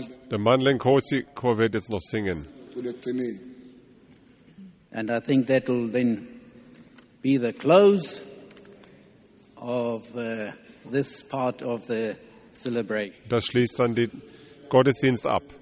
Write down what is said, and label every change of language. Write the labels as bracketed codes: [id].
[de] Der Mandle Nkosi Chor wird jetzt noch singen. [en] And I think that will then be the close of this part of the celebration. [de] Das schließt dann den Gottesdienst ab.